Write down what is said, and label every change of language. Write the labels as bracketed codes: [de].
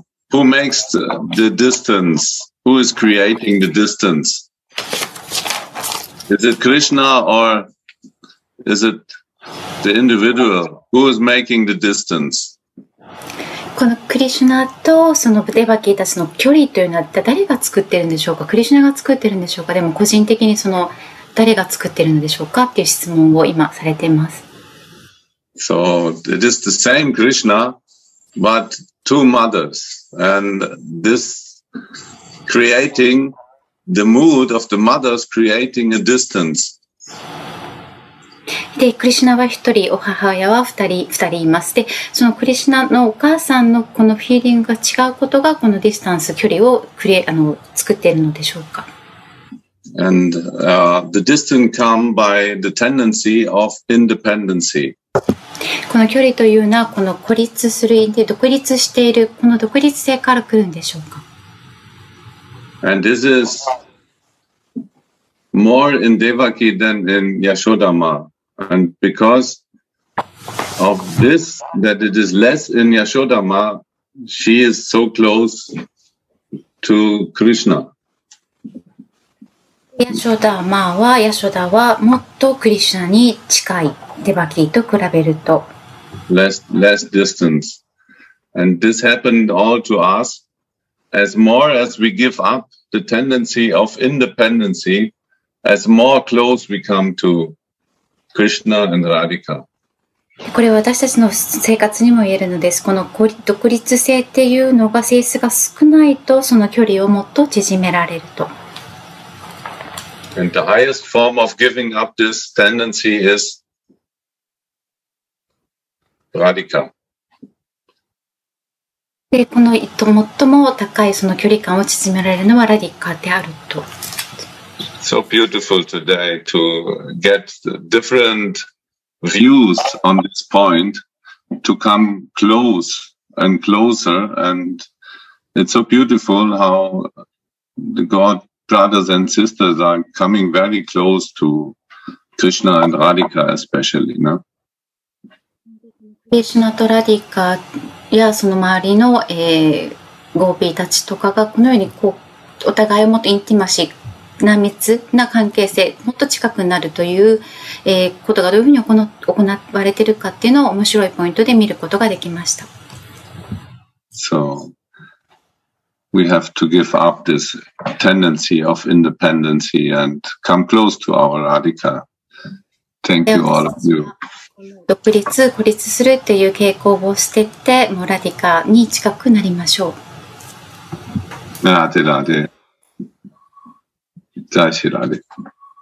[en] Who makes the distance? Who is creating the distance? Is it Krishna or is it the individual? Who is making the distance? [ja] このクリシュナとそのデバキたちの距離というのは誰が作ってるんでしょうか？クリシュナが作ってるんでしょうか？でも個人的にその誰が作ってるのでしょうか？っていう質問を今されています。 [en] So it is the same Krishna, but two mothers. And this creating the mood of the mothers creating a distance. [ja] で、クリシュナは一人、お母親は二人います。で、そのクリシュナのお母さんのこのフィーリングが違うことがこのディスタンス、距離を作っているのでしょうか。 [en] And the distance come by the tendency of independency. [ja] この距離というのはこの孤立する独立しているこの独立性から来るんでしょうか。 [en] And this is more in Devaki than in Yashodama. And because of this, that it is less in Yashodama, she is so close to Krishna. [ja] ヤショダマはヤショダはもっとクリシュナに近いデバキと比べると [en] less distance and this happened all to us as more as we give up the tendency of independency as more close we come to Krishna and Radhika [ja] これ私たちの生活にも言えるのですこの独立性っていうのが性質が少ないとその距離をもっと縮められると [en] And the highest form of giving up this tendency is Radhika. [ja] で、この最も高いその距離感を縮められるのはラディカであると。 [en] So beautiful today to get different views on this point, to come close and closer, and it's so beautiful how the God. Brothers and sisters are coming very close to Krishna and Radhika, especially, no? Krishna and Radhika, yeah, [ja] その周りの、Gopi たちとかがこのようにこうお互いをもっとインティマシーな密な関係性、もっと近くなるという、ことがどういうふうに行われているかっていうのを面白いポイントで見ることができました。 [en] So. We have to give up this tendency of independency and come close to our Radhika. Thank you, all of you. [ja] 独立、孤立するっていう傾向を捨てて、もうラディカに近くなりましょう。ラディラディ。ジャイシラディ。